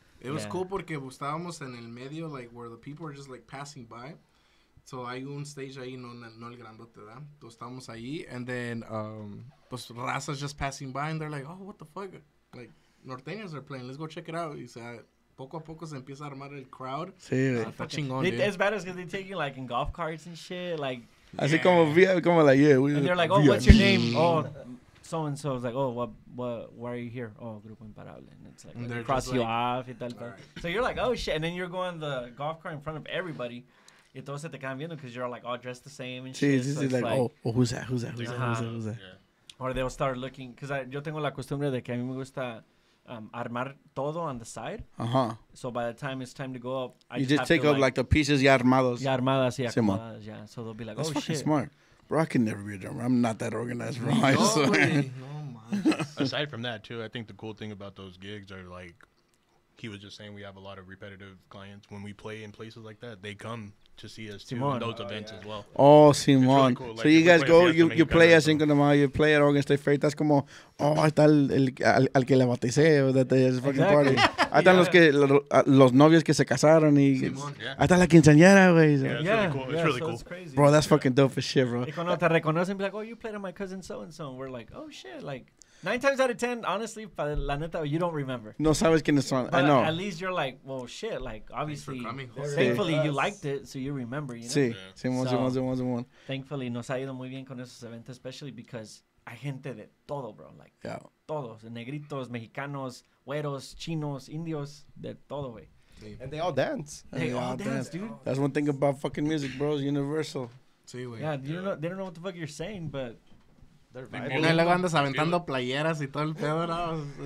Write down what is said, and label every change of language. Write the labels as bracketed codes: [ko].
[en] It was cool [es] porque estábamos en el medio, [en] like, where the people were just, like, passing by. So, [es] hay un stage ahí, no el grandote, ¿verdad? Entonces, estábamos ahí, [en] and then, [es] pues, razas [en] just passing by, and they're like, oh, what the fuck? Like, norteños are playing, let's go check it out. [es] Y se... Poco a poco se empieza a armar el [en] crowd. [es] Sí, güey. Está chingón, [en] dude. As bad as because they're taking, like, in golf carts and shit, like... [es] Así como, como, like, yeah. [en] And they're like, oh, what's your name? Oh, so-and-so is like, oh, what, why are you here? Oh, Grupo Imparable. And it's like, they cross you off. Tal, right. So you're like, oh, shit. And then you're going the golf cart in front of everybody. [es] Y todos se te quedan viendo [en] because you're all, like, all dressed the same and shit. [es] Sí, [en] so it's like, oh, who's that? Or they'll start looking. Because [es] yo tengo la costumbre de que a mí me gusta... armar todo [en] on the side. Uh-huh. So by the time it's time to go up, you just take up like the pieces [es] ya armados. Ya armadas, ya armadas, [en] yeah. So they'll be like, that's oh shit. Smart. Bro, I can never be a drummer. I'm not that organized, bro. Aside from that, too, I think the cool thing about those gigs are like, he was just saying we have a lot of repetitive clients. When we play in places like that, they come to see us, Simon, too, in those events as well. Oh, Simon. Really cool. Like, so you guys go, you play at Cinco de Mayo, you play at Oregon State Fair, that's [es] como, oh, ahí está el que le bauticé, [en] that is fucking exactly. Party. [es] Ahí están los novios que se casaron, y ahí está la quinceañera, güey. [en] Yeah, it's really cool. It's really cool. It's crazy. Bro, that's fucking dope as shit, bro. [es] Y cuando te reconocen, [en] be like, oh, you played on my cousin so-and-so, and we're like, oh, shit, like, 9 times out of 10, honestly, [es] la neta, [en] you don't remember. [es] No sabes quién es. [en] I know. At least you're like, well, shit, like, obviously, thankfully, you liked it, so you remember, you know? [es] Sí, sí, thankfully, nos ha ido muy bien con esos eventos, [en] especially because [es] hay gente de todo, bro, like, todos, negritos, mexicanos, güeros, chinos, indios, de todo, güey. [en] And they all dance. They all dance, dude. That's one thing about fucking music, bro, it's universal. [es] Sí, güey. [en] Yeah, they don't know what the fuck you're saying, but... [es] Y luego andas aventando playeras y todo el pedo, ¿no?